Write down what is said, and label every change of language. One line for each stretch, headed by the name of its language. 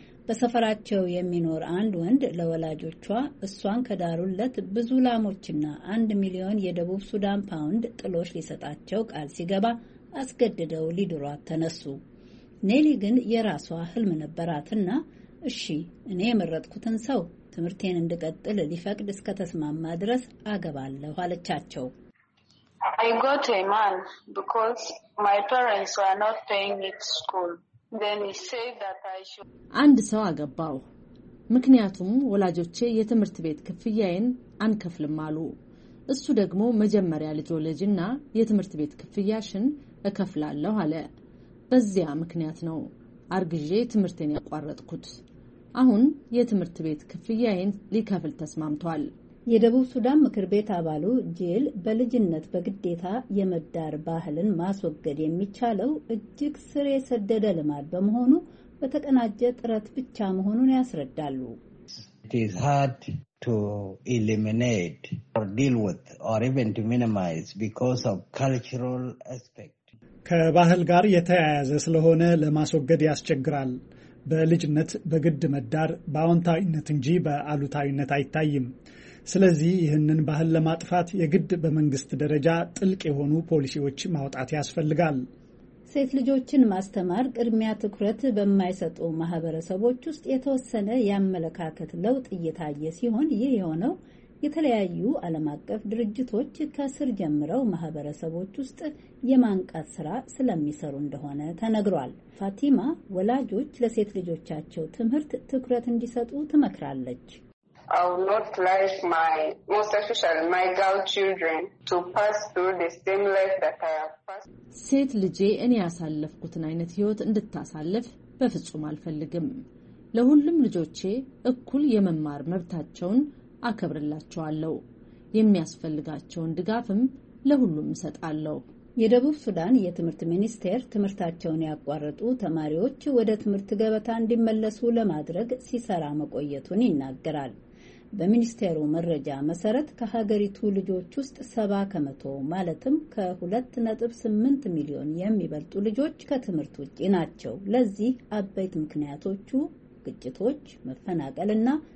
Amharic: በሰፈራቸው የሚኖር አንድ ወንድ ለወላጆቿ እሷን ከዳሩለት ብዙ ላሞችና 1,000,000 የደቡብ ሱዳን ፓውንድ ጥሎሽ ሊሰጣቸው ቃል ሲገባ አስገድደው ሊድሯት ተነሱ። ኔሊ ግን የራሷ ህልም ነበራትና እሺ እኔ የመረጥኩትን ሰው ትምርቴን እንድቀጥል ሊፈቅድ እስከ ተስማማ ድረስ አገባለሁ አለቻቸው።
English: I got a man because my parents were not paying me to school. Then he said that I should
Amharic: አንድ ሰው አገባው ምክንያቱም ወላጆቼ የትምርት ቤት ክፍያዬን አንከፍልም አሉ። እሱ ደግሞ መጀመሪያ ልጅ ወለጅና የትምርት ቤት ክፍያሽን እከፍላለሁ አለ። በዚያ ምክንያት ነው አርግዤ ትምርቴን ያቋረጥኩት። አሁን የትምርት ቤት ክፍያዬን ሊከፍል ተስማምቷል። የደቡብ ሱዳን ምክር ቤት አባሉ ጄል በልጅነት በግዴታ የመዳር ባህልን ማስወገድ የሚቻለው እጅግ ስር የሰደደ ልማድ በመሆኑ በተቀናጀ ጥረት ብቻ መሆኑን ያስረዳሉ።
English: It is hard to eliminate or deal with or even to minimize because of cultural aspect.
Amharic: ከባህል ጋር የተያያዘ ስለሆነ ለማስወገድ ያስቸግራል። በልጅነት በግድ መዳር በአዎንታዊነት እንጂ በአሉታዊነት አይታይም። ስለዚህ ይህንን ባህል ለማጥፋት የግድ በመንግስት ደረጃ ጥልቅ የሆኑ ፖሊሲዎች ማውጣት ያስፈልጋል። ሴት ልጆችን ማስተማር ቅድሚያ ትኩረት በማይሰጡ ማህበረሰቦች ውስጥ የተወሰነ ያመለካከት ለውጥ እየታየ ሲሆን ይህ የሆነው የተለያዩ ዓለም አቀፍ ድርጅቶች ከስር ጀምረው ማህበረሰቦች ውስጥ የማንቃት ስራ ስለሚሰሩ እንደሆነ ተነግሯል። ፋቲማ ወላጆች ለሴት ልጆቻቸው ትምህርት ትኩረት እንዲሰጡ ትመክራለች።
English: I would not like my, most especially my girl children, to pass through the same life that I have passed.
Amharic: ሴት ልጄ እኔ ያሳለፍኩትን አይነት ህይወት እንድታሳልፍ በፍጹም አልፈልግም። ለሁሉም ልጆቼ እኩል የመማር መብታቸውን አከብርላቸዋለሁ። የሚያስፈልጋቸውን ድጋፍም ለሁሉም እሰጣለሁ። የደቡብ ሱዳን የትምህርት ሚኒስቴር ትምህርታቸውን ያቋረጡ ተማሪዎች ወደ ትምህርት ገበታ እንዲመለሱ ለማድረግ ሲሰራ መቆየቱን ይናገራል። በሚኒስቴሩ መረጃ መሰረት ከሀገሪቱ ልጆች ውስጥ 70% ማለትም ከ2.8 ሚሊዮን የሚበልጡ ልጆች ከትምህርት ውጪ ናቸው። ለዚህ አበይት ምክንያቶቹ ግጭቶች፣ መፈናቀልና